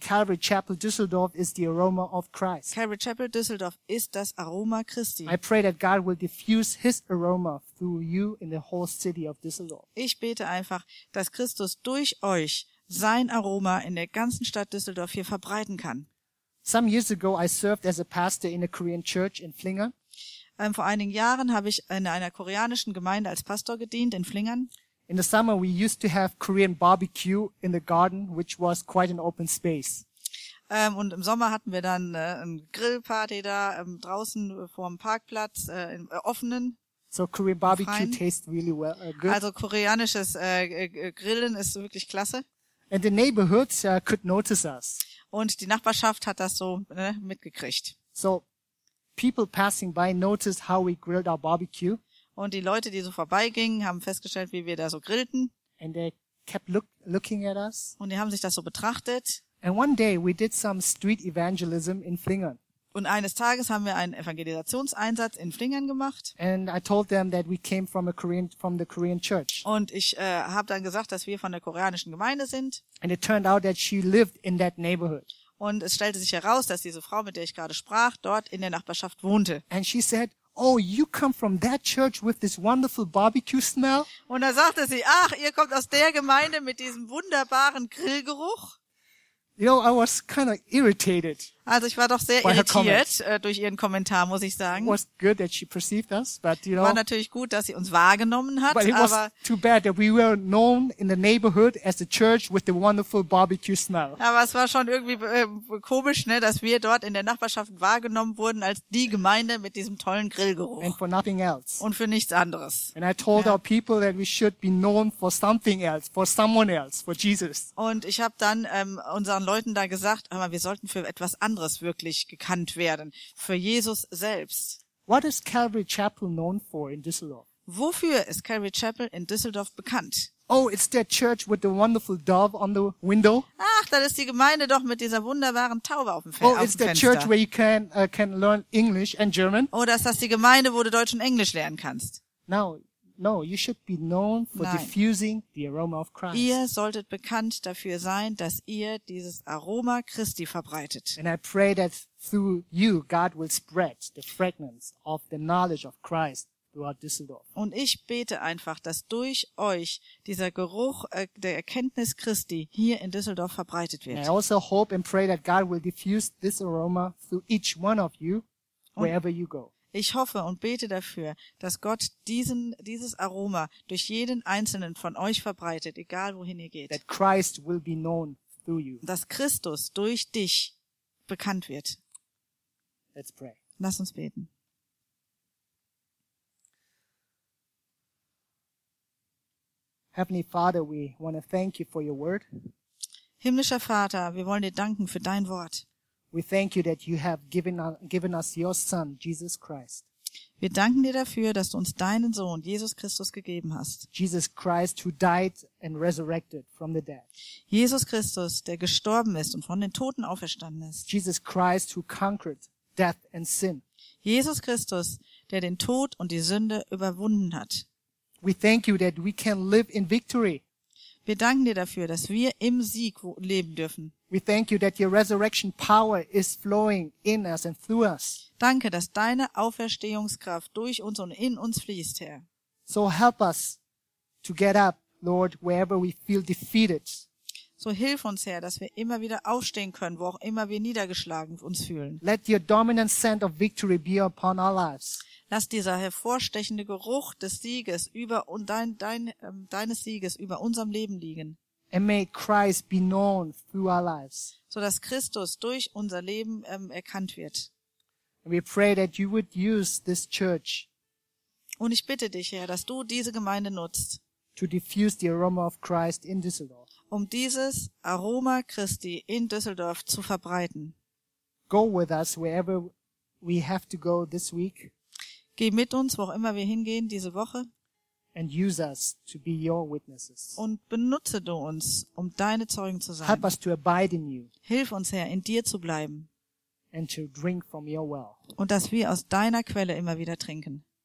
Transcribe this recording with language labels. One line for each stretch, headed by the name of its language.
English: Calvary Chapel Düsseldorf is the aroma of Christ.
German: Calvary Chapel Düsseldorf ist das Aroma Christi.
English: I pray that God will diffuse his aroma through you in the whole city of Düsseldorf.
German: Ich bete einfach, dass Christus durch euch sein Aroma in der ganzen Stadt Düsseldorf hier verbreiten kann.
English: Some years ago I served as a pastor in a Korean church in Flinger.
German: Vor einigen Jahren habe ich in einer koreanischen Gemeinde als Pastor gedient in Flingern.
English: In the summer we used to have Korean barbecue in the garden, which was quite an open space.
German: Und im Sommer hatten wir dann eine Grillparty da draußen vor dem Parkplatz im offenen.
English: So Korean barbecue tastes really well. Good.
German: Also koreanisches Grillen ist wirklich klasse.
English: And the neighborhoods could notice us.
German: Und die Nachbarschaft hat das so mitgekriegt.
English: So people passing by noticed how we grilled our barbecue.
German: Und die Leute, die so vorbeigingen, haben festgestellt, wie wir da so grillten.
English: And they kept looking at us.
German: Und die haben sich das so betrachtet.
English: And one day we did some street evangelism in Flingern.
German: Und eines Tages haben wir einen Evangelisationseinsatz in Flingern gemacht.
English: And I told them that we came from a Korean, from the Korean church.
German: Und ich habe dann gesagt, dass wir von der koreanischen Gemeinde sind.
English: And it turned out that she lived in that neighborhood.
German: Und es stellte sich heraus, dass diese Frau, mit der ich gerade sprach, dort in der Nachbarschaft wohnte.
English: And she said, "Oh, you come from that church with this wonderful barbecue smell?"
German: Und da sagte sie, "Ach, ihr kommt aus der Gemeinde mit diesem wunderbaren Grillgeruch?"
English: You know, I was kind of irritated.
German: Also, ich war doch sehr irritiert durch ihren Kommentar, muss ich sagen.
English: It was good that she perceived us, but you know.
German: War natürlich gut, dass sie uns wahrgenommen hat,
English: but it
German: aber
English: was too bad that we were known in the neighborhood as the church with the wonderful barbecue smell.
German: Aber es war schon irgendwie komisch, ne, dass wir dort in der Nachbarschaft wahrgenommen wurden als die Gemeinde mit diesem tollen Grillgeruch.
English: And for nothing else.
German: Und für nichts anderes.
English: And I told our people that we should be known for something else, for someone else, for Jesus.
German: Und ich habe dann unseren Leuten da gesagt, aber wir sollten für etwas anderes wirklich gekannt werden, für Jesus selbst.
English: What is Calvary Chapel known for in Düsseldorf?
German: Wofür ist Calvary Chapel in Düsseldorf bekannt?
English: Oh, it's that church with the wonderful dove on the window.
German: Ach, das ist die Gemeinde doch mit dieser wunderbaren Taube auf dem Fenster.
English: Oh, it's that church where you can learn English and German.
German: Oder ist das die Gemeinde, wo du Deutsch und Englisch lernen kannst?
English: No, you should be known for diffusing the aroma of Christ.
German: Ihr solltet bekannt dafür sein, dass ihr dieses Aroma Christi verbreitet.
English: And I pray that through you God will spread the fragrance of the knowledge of Christ throughout Düsseldorf.
German: Und ich bete einfach, dass durch euch dieser Geruch der Erkenntnis Christi hier in Düsseldorf verbreitet wird.
English: And I also hope and pray that God will diffuse this aroma through each one of you wherever you go.
German: Ich hoffe und bete dafür, dass Gott dieses Aroma durch jeden Einzelnen von euch verbreitet, egal wohin ihr geht.
English: That Christ will be known through you.
German: Dass Christus durch dich bekannt wird.
English: Let's pray.
German: Lass uns beten.
English: Heavenly Father, we want to thank you for your word.
German: Himmlischer Vater, wir wollen dir danken für dein Wort.
English: We thank you that you have given us your son Jesus Christ.
German: Wir danken dir dafür, dass du uns deinen Sohn Jesus Christus gegeben hast.
English: Jesus Christ who died and resurrected from the dead.
German: Jesus Christus, der gestorben ist und von den Toten auferstanden ist.
English: Jesus Christ who conquered death and sin.
German: Jesus Christus, der den Tod und die Sünde überwunden hat.
English: We thank you that we can live in victory.
German: Wir danken dir dafür, dass wir im Sieg leben dürfen.
English: We thank you that your resurrection power is flowing in us and through us.
German: Danke, dass deine Auferstehungskraft durch uns und in uns fließt, Herr.
English: So help us to get up, Lord, wherever we feel defeated.
German: So hilf uns, Herr, dass wir immer wieder aufstehen können, wo auch immer wir niedergeschlagen uns fühlen.
English: Let your dominant scent of victory be upon our lives.
German: Lass dieser hervorstechende Geruch des Sieges über und deines Sieges über unserem Leben liegen.
English: And may Christ be known through our lives.
German: So dass Christus durch unser Leben erkannt wird.
English: And we pray that you would use this church.
German: Und ich bitte dich, Herr, dass du diese Gemeinde nutzt.
English: To diffuse the aroma of Christ in Düsseldorf.
German: Um dieses Aroma Christi in Düsseldorf zu verbreiten.
English: Go with us wherever we have to go this week.
German: Geh mit uns, wo auch immer wir hingehen diese Woche.
English: And use us to be your witnesses.
German: Und benutze du uns, um deine Zeugen zu sein.
English: Help us to abide in you.
German: Hilf uns, Herr, in dir zu bleiben.
English: And to drink from your well.
German: Und dass wir aus deiner Quelle immer wieder trinken.